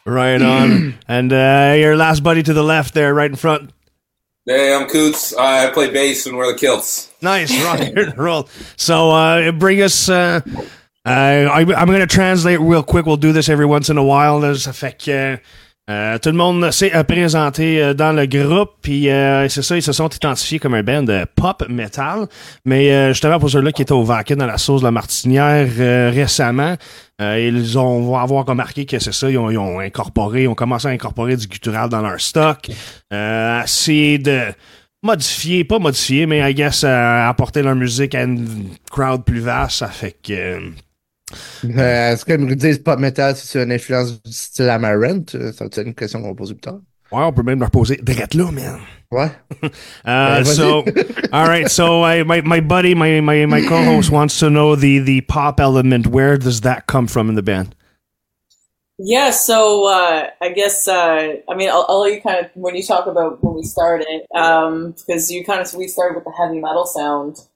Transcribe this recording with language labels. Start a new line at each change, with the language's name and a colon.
English: Right on. And your last buddy to the left there, right in front. Hey, I'm Coots. I play bass and wear the kilts. Nice, rock and roll. So, bring us. I'm going to translate real quick. We'll do this every once in a while. There's a fact.
French: Tout le monde s'est présenté dans le groupe, puis c'est ça, ils se sont identifiés comme un band de pop metal. Mais justement, pour ceux-là qui étaient au Vaquet dans la sauce de la Martinière récemment, ils ont avoir remarqué que c'est ça, ils ont commencé à incorporer du guttural dans leur stock. Essayer de modifier, pas modifier, mais
English: I guess
French: apporter leur musique à une crowd plus vaste, ça fait que... Est-ce que me disent pop metal si c'est une influence du style Amarant? Ça va être une question qu'on va poser plus tard. Ouais, on peut même leur poser direct là, man. Ouais.
English: So, alright, so my co-host wants to know the pop element. Where does that come from in the band? Yeah, so I guess, I mean, I'll let you kind of, when you talk about when we started, because we started with the heavy metal sound.